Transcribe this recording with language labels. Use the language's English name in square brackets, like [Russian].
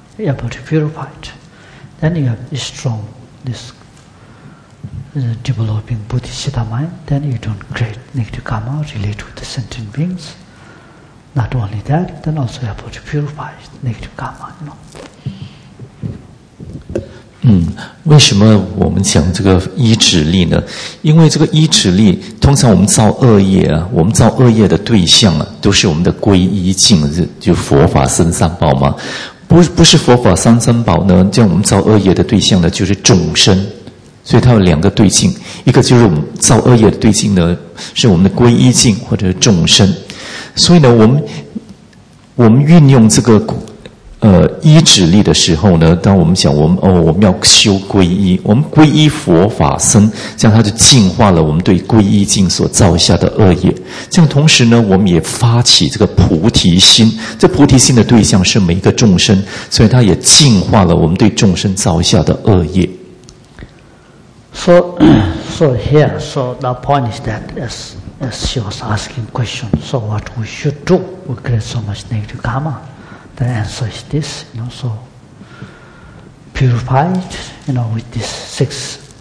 [English] You're able to purify it. Then you have strong, this developing bodhicitta mind. Then you don't create negative karma, relate with the sentient beings. Not only that, then also you're able to purify negative karma, you know. [Chinese] 为什么我们讲这个依止力呢？因为这个依止力，通常我们造恶业啊，我们造恶业的对象啊，都是我们的皈依境，就佛法僧三宝嘛。不是佛法三僧宝呢，这样我们造恶业的对象呢，就是众生。所以它有两个对境，一个就是我们造恶业的对境呢，是我们的皈依境或者是众生。所以呢，我们运用这个依止力的时候呢，当我们想我们要修皈依，我们皈依佛法僧，这样它就净化了我们对皈依境所造下的恶业。这样同时呢，我们也发起这个菩提心，这菩提心的对象是每一个众生，所以它也净化了我们对众生造下的恶业。 [English] So here, so the point is that as she was asking question, so what we should do? We create so much negative karma. The answer is this, you know, so purified, you know, with these six